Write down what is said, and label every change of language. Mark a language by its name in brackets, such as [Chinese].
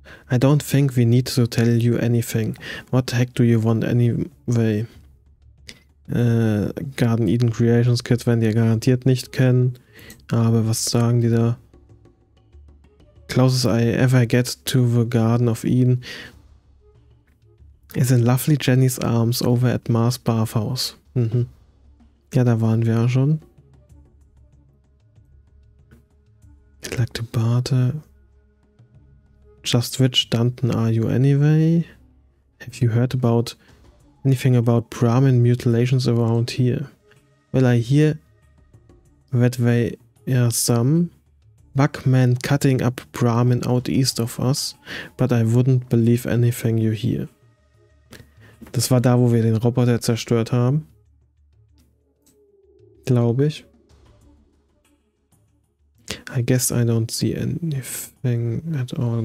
[English] I don't think we need to tell you anything. What the heck do you want anyway? [German] Garden Eden Creations Kit werden die garantiert nicht kennen. Aber was sagen die da? [English] Closest I ever get to the Garden of Eden is in lovely Jenny's arms over at Mars Bathhouse. Mhm. [German] Ja, da waren wir ja schon. [English] I'd like to barter. Just which Dunton are you anyway? Have you heard about anything about Brahmin mutilations around here? Well, I hear that they are some Buckman cutting up Brahmin out east of us, but I wouldn't believe anything you hear. [German] Das war da, wo wir den Roboter zerstört haben. Glaube ich. [English] I guess I don't see anything at all.